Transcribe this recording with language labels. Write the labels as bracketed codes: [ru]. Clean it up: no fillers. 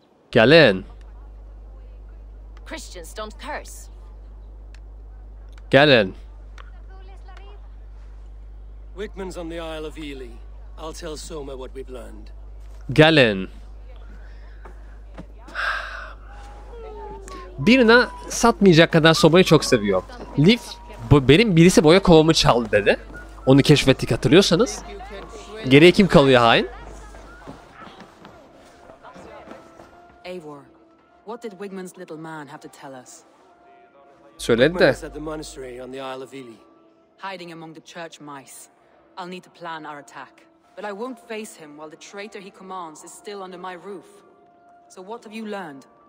[tr] Gelin. [en] Christians don't curse. [tr] Gelin. [en] Wickman's on the Isle of Ely. I'll tell Soma what we've learned. [tr] Gelin. Birine satmayacak kadar Soma'yı çok seviyor. Leaf, bu benim birisi boya kovamı çaldı dedi. Onu keşfettik hatırlıyorsanız. Geriye kim kalıyor hain? [en] Eivor, what did Wigman's little man have to tell us? [tr] Söyledi de. [en] At the monastery on the Isle of Ely, hiding among the church mice. I'll need to plan our attack, but I won't face him while the traitor he commands is still under my roof. So what have you learned?